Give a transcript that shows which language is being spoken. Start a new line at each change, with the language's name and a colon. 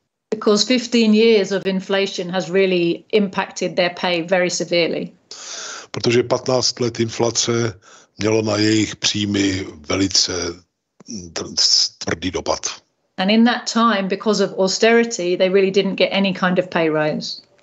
English: Because 15 years of inflation has really impacted their pay very severely.
Czech: Protože 15 let inflace mělo na jejich příjmy velice tvrdý dopad.
English: And in that time, because of austerity, they really didn't get any kind of pay rise.